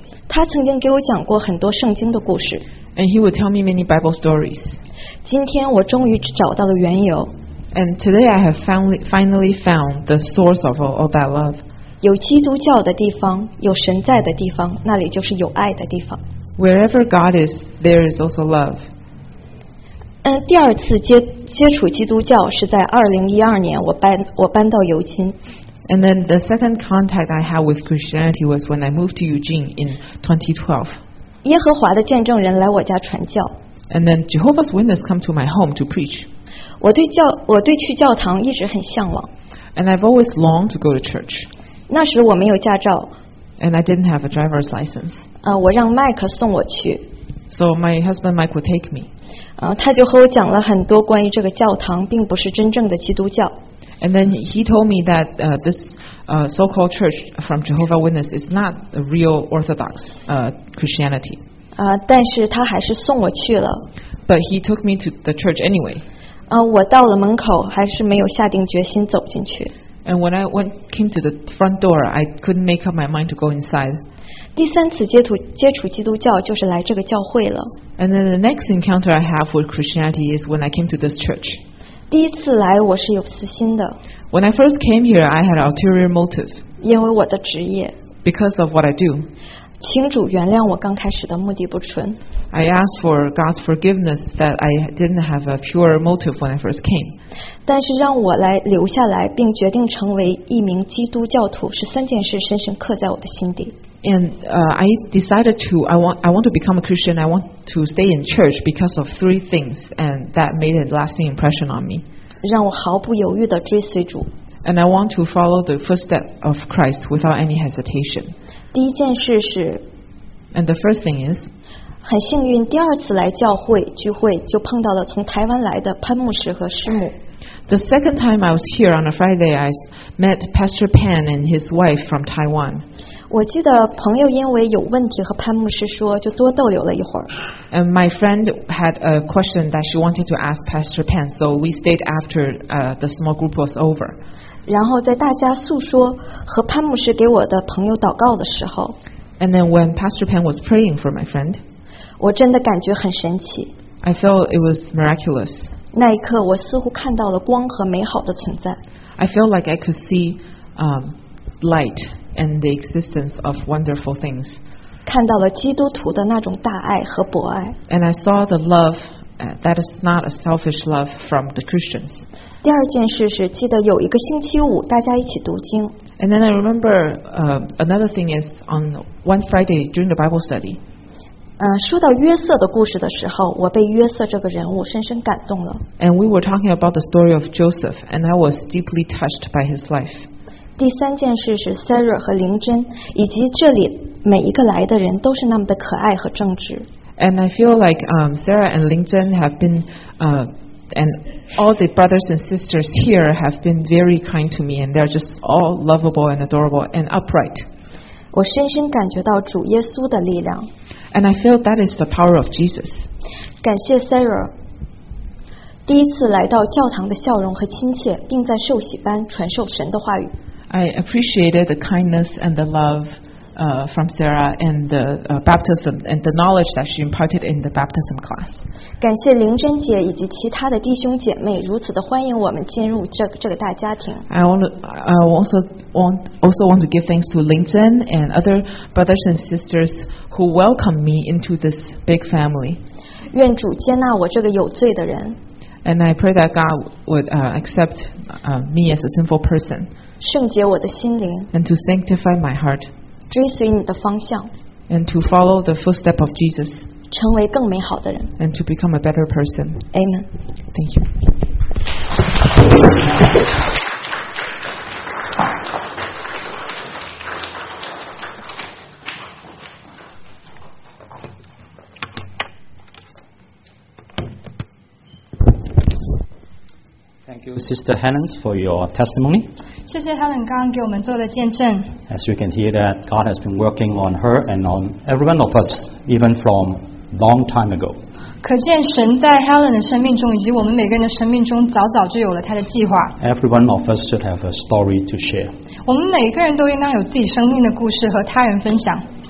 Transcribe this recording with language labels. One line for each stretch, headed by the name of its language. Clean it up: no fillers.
Chinese: 他曾经给我讲过很多圣经的故事。
English: And he would tell me many Bible stories.
Chinese: 今天我终于找到了缘由。
English: And today I have finally found the source of all that love.
Chinese: 有基督教的地方，有神在的地方，那里就是有爱的地方。
English: Wherever God is, there is also love.
Chinese: 第二次接触基督教是在2012年，我搬到尤金。
English: And then the second contact I had with Christianity was when I moved to Eugene in 2012.
Chinese: 耶和华的见证人来我家传教。
English: And then Jehovah's Witness come to my home to preach.
Chinese: 我对去教堂一直很向往。
English: And I've always longed to go to church.
Chinese: 那时我没有驾照。
English: And I didn't have a driver's license.
Chinese: 我让 Mike 送我去。
English: So my husband Mike would take me.
Chinese: 他就和我讲了很多关于这个教堂并不是真正的基督教。
English: And then he told me that this so-called church from Jehovah's Witness is not a real Orthodox Christianity.
Chinese: 但是他还是送我去了。
English: But he took me to the church anyway.
Chinese: 我到了门口还是没有下定决心走进去。
English: And when I came to the front door, I couldn't make up my mind to go inside.
Chinese: 第三次接触基督教就是来这个教会了。
English: And then the next encounter I have with Christianity is when I came to this church.
Chinese: 第一次来我是有私心的。
English: When I first came here, I had ulterior motive.
Chinese: 因为我的职业。
English: Because of what I do.
Chinese: 请主原谅我刚开始的目的不纯。
English: I asked for God's forgiveness that I didn't have a pure motive when I first came.
Chinese: 但是让我来留下来并决定成为一名基督教徒是三件事深深刻在我的心底。
English: And I want to become a Christian. I want to stay in church because of three things, and that made a lasting impression on me.
Chinese: 让我毫不犹豫地追随主。
English: And I want to follow the footsteps of Christ without any hesitation.
Chinese: 第一件事是。
English: And the first thing is.
Chinese: 很幸运，第二次来教会聚会就碰到了从台湾来的潘牧师和师母。
English: The second time I was here on a Friday, I met Pastor Pan and his wife from Taiwan.
Chinese: 我记得朋友因为有问题和潘牧师说，就多逗留了一会儿。
English: And my friend had a question that she wanted to ask Pastor Pan, so we stayed after the small group was over.
Chinese: 然后在大家诉说和潘牧师给我的朋友祷告的时候。
English: And then when Pastor Pan was praying for my friend,
Chinese: 我真的感觉很神奇。
English: I felt it was miraculous.
Chinese: 那一刻我似乎看到了光和美好的存在。
English: I felt like I could see light and the existence of wonderful things.
Chinese: 看到了基督徒的那种大爱和博爱。
English: And I saw the love that is not a selfish love from the Christians.
Chinese: 第二件事是记得有一个星期五大家一起读经。
English: And then I remember another thing is on one Friday during the Bible study.
Chinese: 说到约瑟的故事的时候，我被约瑟这个人物深深感动了。
English: And we were talking about the story of Joseph, and I was deeply touched by his life.
Chinese: 第三件事是 Sarah 和灵珍，以及这里每一个来的人都是那么的可爱和正直。
English: And I feel like Sarah and 灵珍have been, and all the brothers and sisters here have been very kind to me, and they're just all lovable and adorable and upright.
Chinese: 我深深感觉到主耶稣的力量。
English: And I feel that is the power of Jesus.
Chinese: 感谢 Sarah. 第一次来到教堂的笑容和亲切，并在受洗班传授神的话语。
English: I appreciated the kindness and the love from Sarah and the baptism and the knowledge that she imparted in the baptism class.
Chinese: 感谢灵珍姐以及其他的弟兄姐妹如此的欢迎我们进入这个大家庭。
English: I also want to give thanks to Ling Zhen and other brothers and sisters who welcomed me into this big family.
Chinese: 愿主接纳我这个有罪的人。
English: And I pray that God would accept me as a sinful person.
Chinese: 圣洁我的心灵。
English: And to sanctify my heart.
Chinese: 追随你的方向。
English: And to follow the footstep of Jesus.
Chinese: 成为更美好的人。
English: And to become a better person. Amen. Thank you. Thank you, Sister Helen, for your testimony.
Chinese: 谢谢 Helen 刚刚给我们做的见证。
English: As you can hear that God has been working on her and on every one of us, even from long time ago.
Chinese: 可见神在 Helen 的生命中以及我们每个人的生命中早早就有了他的计划。
English: Every one of us should have a story to share.
Chinese: 我们每个人都应当有自己生命的故事和他人分享。